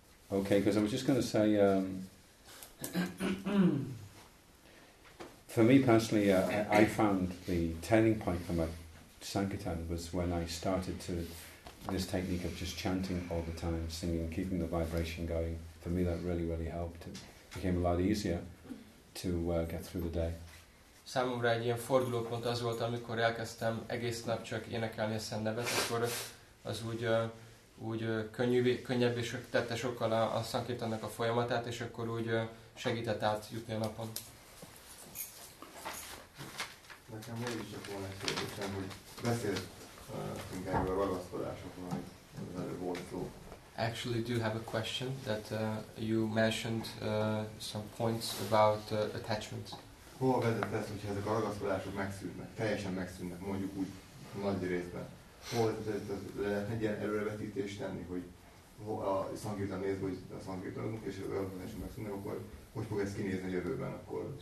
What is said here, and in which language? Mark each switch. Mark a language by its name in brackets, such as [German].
[English] Okay, because I was just going to say, for me personally, I found the turning point for my Sankirtan was when I started to this technique of just chanting all the time, singing, keeping the vibration going. For me, that really, really helped. It became a lot easier to get through the day. [Hungarian] Számomra egy ilyen fordulópont az volt, amikor elkezdtem egész nap csak énekelni a Szent Nevet, akkor az úgy könnyebb és tette sokkal a Sankirtannak a folyamatát, és akkor úgy segített átjutni a napon. Nekem még is csak volna egy kérdésem, hogy beszéltünk erről a ragaszkodásokról, amit az előbb volt szó. [English] Actually, I do have a question that you mentioned some points about attachments. [Hungarian] Hova vezet ez, hogyha ezek a ragaszkodások megszűnnek, teljesen megszűnnek, mondjuk úgy nagy részben? Hova vezet ez, lehet egy ilyen előrevetítést tenni, hogy a Sankirtan nézve, hogy a Sankirtanok és a ragaszkodások megszűnnek, akkor hogy fog ez kinézni a jövőben akkor?